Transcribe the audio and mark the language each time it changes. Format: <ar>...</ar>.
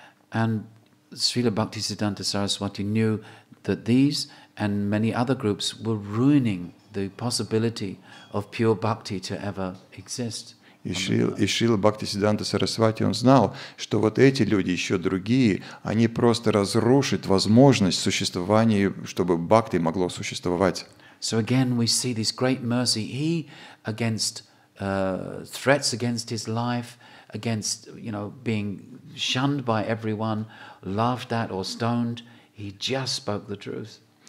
<en>And Srila Bhaktisiddhanta Saraswati knew that these and many other groups were ruining the possibility of pure bhakti to ever exist.</en> <ru>И Шрила Бхактисиддханта Сарасвати, он знал, что вот эти люди, еще другие, они просто разрушат возможность существования, чтобы бхакти могло существовать.</ru> <en>So again we see this great mercy. He against threats against his life, against, you know, being shunned by everyone, laughed at or stoned, he just spoke the truth.</en>